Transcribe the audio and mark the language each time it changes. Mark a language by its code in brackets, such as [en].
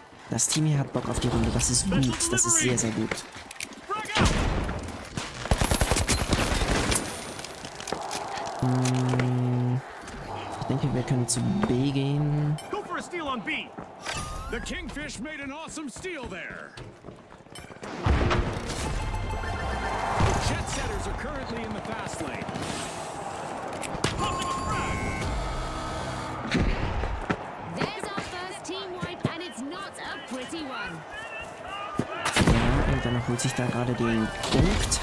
[de] Das Team hier hat Bock auf die Runde, das ist gut, das ist sehr, sehr gut. Ich denke, wir können zu B gehen. [en] Go for a steal on B. The Kingfish made an awesome steal there. Jet Setters are currently in the fast lane. There's our first team wipe and it's not a pretty one. [de] Ja, und dann holt sich da gerade den Punkt.